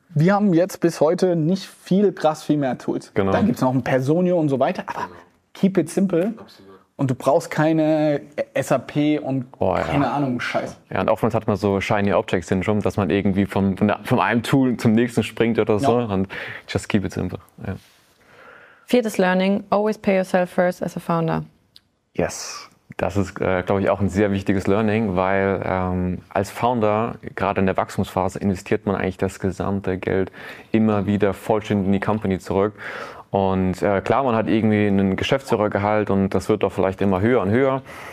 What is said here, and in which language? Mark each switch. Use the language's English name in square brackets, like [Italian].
[German] Wir haben jetzt bis heute nicht viel mehr Tools. Genau. Dann gibt es noch ein Personio und so weiter, aber [English] keep it simple. [German] Absolut. Und du brauchst keine SAP und keine Ahnung, Scheiß. Ja, und oftmals hat man so Shiny Object Syndrome, dass man irgendwie von einem Tool zum nächsten springt oder so. Und [English] just keep it simple. [German] Ja. Viertes Learning: [English] always pay yourself first as a founder. Yes, [German] das ist, glaube ich, auch ein sehr wichtiges Learning, weil als Founder, gerade in der Wachstumsphase, investiert man eigentlich das gesamte Geld immer wieder vollständig in die Company zurück. Und klar, man hat irgendwie einen Geschäftsführergehalt und das wird doch vielleicht immer höher und höher.